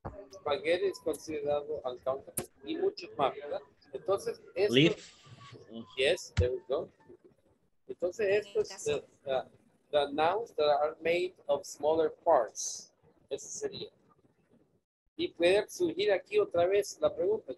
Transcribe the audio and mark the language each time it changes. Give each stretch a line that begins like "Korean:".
English: Spaghetti is considered uncountable.
Spanish: Y mucho más, ¿verdad? Entonces, esto, leaf.
English: Yes, there we go.
Spanish: Entonces, esto es
English: the nouns that are made of smaller parts.
Spanish: Eso sería. Y puede surgir aquí otra vez la pregunta.